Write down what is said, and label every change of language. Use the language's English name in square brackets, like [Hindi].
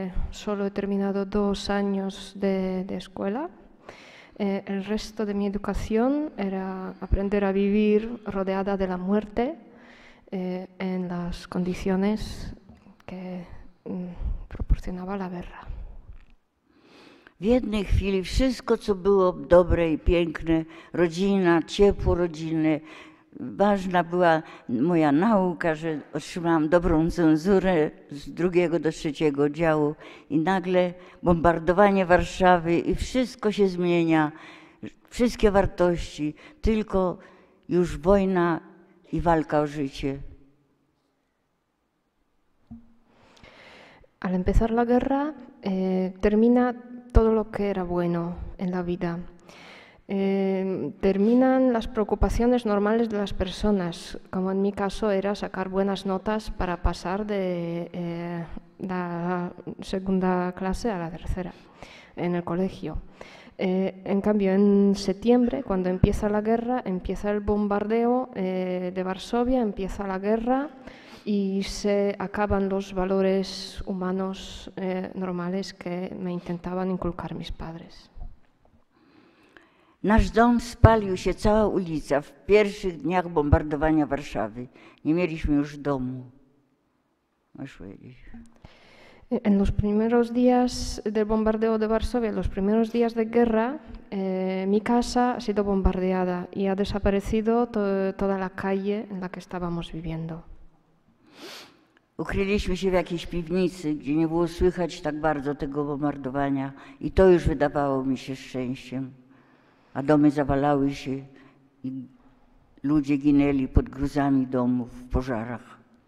[Spanish] Solo he terminado 2 años de escuela. El resto de mi educación era aprender a vivir rodeada de la muerte en las condiciones que proporcionaba la guerra. [Polish] W jednej chwili wszystko, co było dobre i piękne, rodzina, ciepło rodziny, ważna była moja nauka, że otrzymałam dobrą cenzurę z drugiego do trzeciego oddziału i nagle bombardowanie Warszawy i wszystko się zmienia, wszystkie wartości, tylko już wojna i walka o życie. [Spanish] Al empezar la guerra, termina todo lo que era bueno en la vida. Terminan las preocupaciones normales de las personas, como en mi caso era sacar buenas notas para pasar de la segunda clase a la tercera en el colegio. En cambio, en septiembre, cuando empieza la guerra, empieza el bombardeo de Varsovia, empieza la guerra y se acaban los valores humanos normales que me intentaban inculcar mis padres. [Polish] Nasz dom spalił się, cała ulica, w pierwszych dniach bombardowania Warszawy. Nie mieliśmy już domu. [Spanish] En los primeros días del bombardeo de Varsovia, los primeros días de guerra, mi casa ha sido bombardeada y ha desaparecido toda la calle en la que estábamos viviendo. [Polish] Ukryliśmy się w jakiejś piwnicy, gdzie nie było słychać tak bardzo tego bombardowania i to już wydawało mi się szczęściem. A domy zawalały się i ludzie ginęli pod gruzami domów w pożarach.